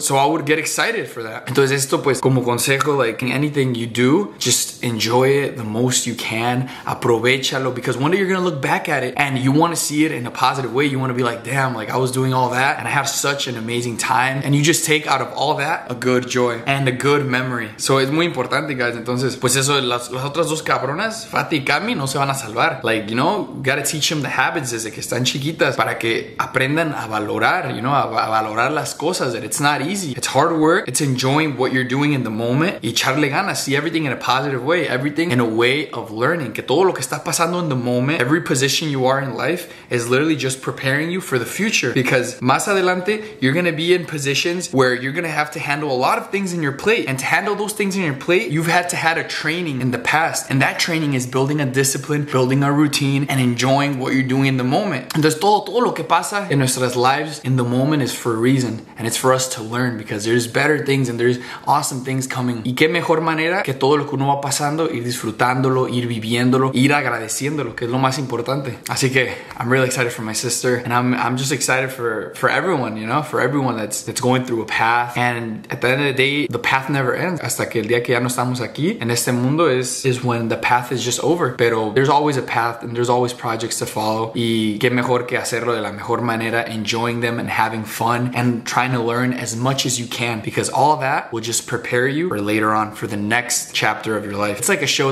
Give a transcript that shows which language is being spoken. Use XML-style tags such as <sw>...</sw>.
<en>So I would get excited for that.</en> <es>Entonces esto pues como consejo,</es> <en>like anything you do, just enjoy it the most you can.</en> <es>Aprovechalo,</es> <en>because one day you're gonna look back at it and you wanna see it in a positive way. You wanna be like, damn, like I was doing all that and I have such an amazing time. And you just take out of all that a good joy and a good memory. So it's</en> <es>muy importante,</es> <en>guys.</en> <es>Entonces, pues eso, las otras dos cabronas, Fati y Cami, no se van a salvar.</es> <en>Like, you know, gotta teach them the habits</en> <es>desde que están chiquitas para que aprendan a valorar,</es> <en>you know,</en> <es>a valorar las cosas.</es> <en>That it's not easy. It's hard work. It's enjoying what you're doing in the moment.</en> <es>Y echarle ganas.</es> <en>See everything in a positive way. Everything in a way of learning.</en> <es>Que todo lo que está pasando</es> <en>in the moment, every position you are in life, is literally just preparing you for the future. Because</en> <es>más adelante,</es> <en>you're gonna be in positions where you're gonna have to handle a lot of things in your plate. And to handle those things in your plate, you've had to have a training in the past. And that training is building a discipline, building a routine, and enjoying what you're doing in the moment.</en> <es>Entonces todo lo que pasa en nuestras</es> <en>lives in the moment is for a reason. And it's for us to learn, because there's better things and there's awesome things coming.</en> <es>Y qué mejor manera que todo lo que uno va pasando, ir disfrutándolo, ir viviéndolo, ir agradeciéndolo, que es lo más importante. Así que</es> <en>I'm really excited for my sister. And I'm just excited for everyone, you know, for everyone that's going through a path. And at the end of the day, the path never ends.</en> <es>Hasta que el día que ya no estamos aquí en este mundo</es> <en>is when the path is just over. Pero there's always a path and there's always projects to follow.</en> <es>Y qué mejor que hacerlo de la mejor manera,</es> <en>enjoying them and having fun and trying to learn as much as you can, because all that will just prepare you for later on, for the next chapter of your life. It's like a show.</en>